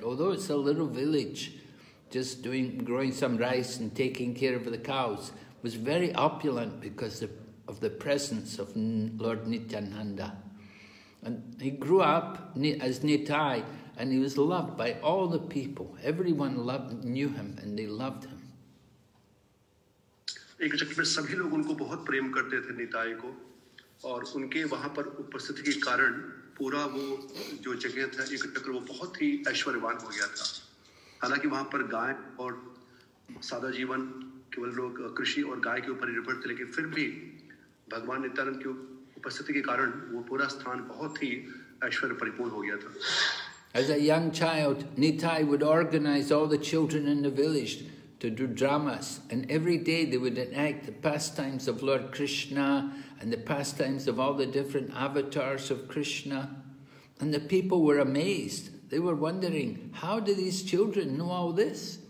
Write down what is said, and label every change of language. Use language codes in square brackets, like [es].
[en] Although it's a little village, just growing some rice and taking care of the cows, was very opulent because of the presence of Lord Nityananda. And he grew up as Nitai, and he was loved by all the people. Everyone loved, knew him, and they loved him. [hi] एक चक्र में सभी लोग उनको बहुत प्रेम करते थे निताई को, और उनके वहाँ पर उपस्थिति के कारण पूरा वो जो जगह था एक चक्र वो बहुत ही ऐश्वर्यवान हो गया था. हालांकि वहाँ पर गाय और सादा जीवन केवल लोग कृषि और गाय के ऊपर निर्भर थे, लेकिन फिर भी भगवान नित्यानंद की उपस्थिति के कारण वो पूरा स्थान बहुत ही ऐश्वर्य परिपूर्ण हो गया था. [en] As a young child, Nitai would organize all the children in the village to do dramas, and every day they would enact the pastimes of Lord Krishna and the pastimes of all the different avatars of Krishna. And the people were amazed. They were wondering, how do these children know all this?